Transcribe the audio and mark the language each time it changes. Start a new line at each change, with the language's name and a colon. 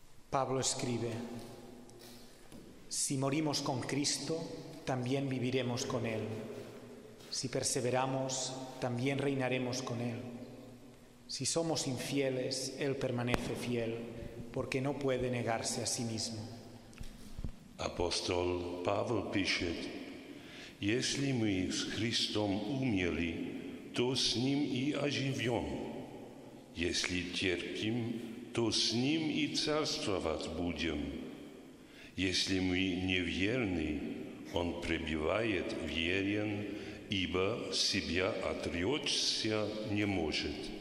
Spanish: Pablo escribe: si morimos con Cristo, también viviremos con Él. Si perseveramos, también reinaremos con Él. Si somos infieles, Él permanece fiel, porque no puede negarse a sí mismo.
Russian: Apóstol Pavel pisce: «Если мы с Христом умели, то с Ним и оживем. Если терпим, то с Ним и царствовать будем. Если мы неверны, Он пребывает верен, ибо себя отречься не может».